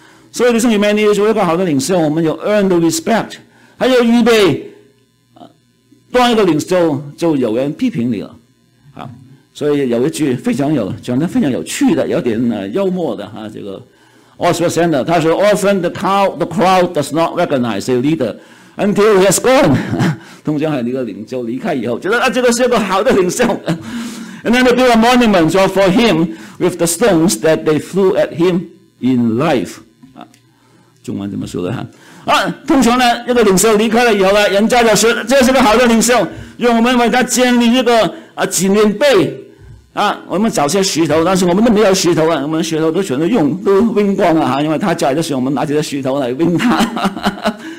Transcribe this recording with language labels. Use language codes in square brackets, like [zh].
[zh] 所以弟兄姊妹，你作为一个好的领袖，我们有 [en] earn the respect， [zh] 还有预备当一个领袖就有人批评你了所以有一句非常有讲得非常有趣的，有点幽默的这个 Oswald Sander， 他说 [en] often the crowd does not recognize a leader until he has gone。 [zh] 通常是你的领袖离开以后觉得这个是一个好的领袖。 [en] And then they build a monument for him with the stones that they threw at him in life。 [zh] 中文怎么说的通常呢，一个领袖离开了以后呢，人家就说这是个好的领袖，用我们为他建立一个纪念碑我们找些石头，但是我们都没有石头我们石头都全都用都扔光了因为他在的时候我们拿几个石头来扔他。